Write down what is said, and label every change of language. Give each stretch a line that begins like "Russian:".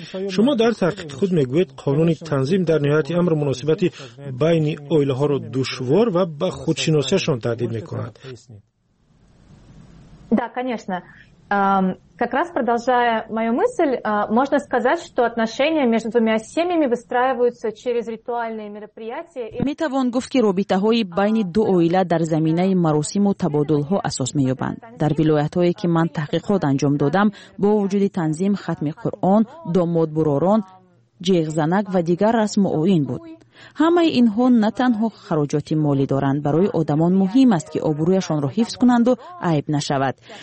Persian: شما در تحقیق خود میگوید قانون تنظیم در نهایت امر مناسبت بین آیله ها را دشوار و به خودشناسی شان تهدید میکند.
Russian: Да, конечно. Как раз продолжая мою мысль, можно сказать, что отношения между двумя семьями выстраиваются через ритуальные мероприятия.
Tajik: Метавон гуфт ки робитаҳои байни ду оила дар заминаи маросиму табодулҳо асос меёбанд. Дар вилоятҳое ки ман таҳқиқот анҷом додам, бо вуҷуди танзим хатми Қуръон, домод буророн, ҷиғзанак ва дигар расму оин буд.
Persian: همه اینها نه تنها خراجات مالی دارند، برای آدمان مهم است که آبرویشان را حفظ کنند و عیب نشود.